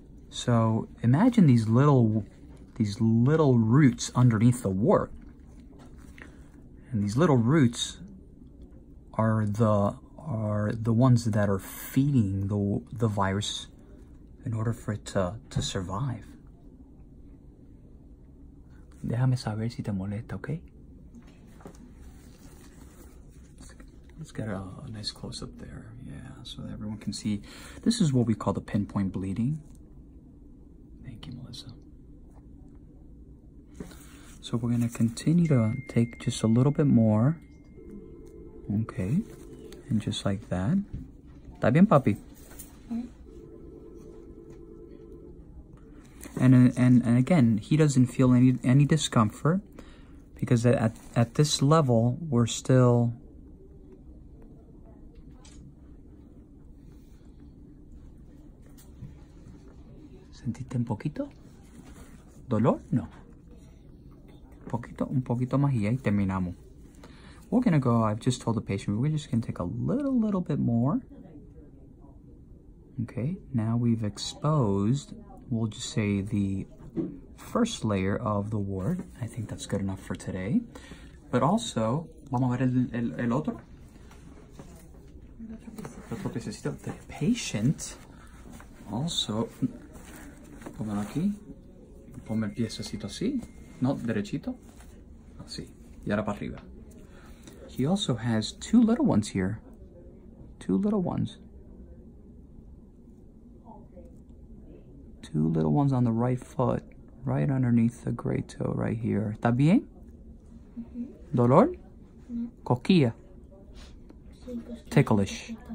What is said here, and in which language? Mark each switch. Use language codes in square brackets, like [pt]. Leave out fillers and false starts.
[en] So imagine these little roots underneath the wart. And these little roots are the ones that are feeding the virus in order for it to survive. [es] Déjame saber si te molesta, ¿ok? [en] Let's get a nice close up there, yeah, so that everyone can see. This is what we call the pinpoint bleeding. Thank you, Melissa. So we're gonna continue to take just a little bit more. Okay, and just like that. [es] ¿Está bien, papi? [en] And again, he doesn't feel any discomfort because at this level, we're still... [es] ¿Sentiste un poquito? ¿Dolor? No. Un poquito más y ahí terminamos. [en] We're going to go, I've just told the patient, we're just going to take a little bit more. Okay, now we've exposed, we'll just say the first layer of the wart. I think that's good enough for today. But also, [es] vamos a ver el otro? El otro piecito. [en] The patient also, [es] pongan aquí, ponme el piecito así, no derechito, así, y ahora para arriba. [en] He also has two little ones here. Two little ones. Two little ones on the right foot, right underneath the great toe, right here. [es] ¿Está bien? [en] Mm-hmm. ¿Dolor? Mm-hmm. ¿Coquilla? Ticklish.